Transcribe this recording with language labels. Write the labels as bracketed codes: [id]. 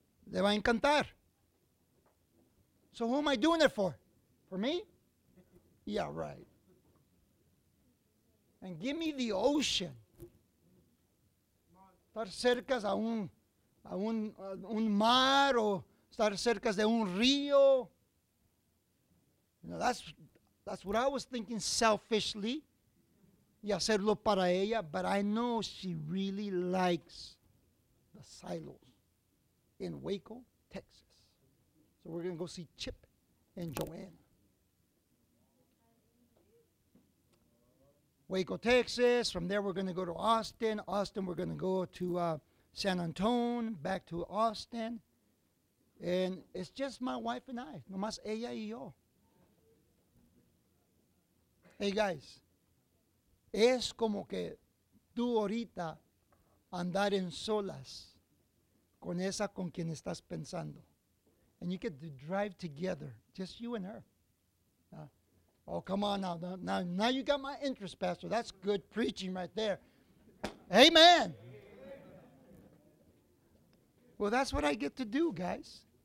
[es] Le va a encantar. [en] So who am I doing it for? For me? Yeah, right. And give me the ocean. [es] Estar cerca a un mar o estar cerca de un río. [en] You know, that's what I was thinking selfishly. [es] Y hacerlo para ella. [en] But I know she really likes the silos in Waco, Texas. So we're going to go see Chip and Joanne. Waco, Texas. From there, we're going to go to Austin. Austin, we're going to go to San Antonio, back to Austin. And it's just my wife and I. [es] Nomás ella y yo. [en] Hey, guys. [es] Es como que tú ahorita andar en solas con esa con quien estás pensando. [en] And you get to drive together, just you and her. Oh, come on now. Now you got my interest, Pastor. That's good preaching right there. Amen. Well, that's what I get to do, guys.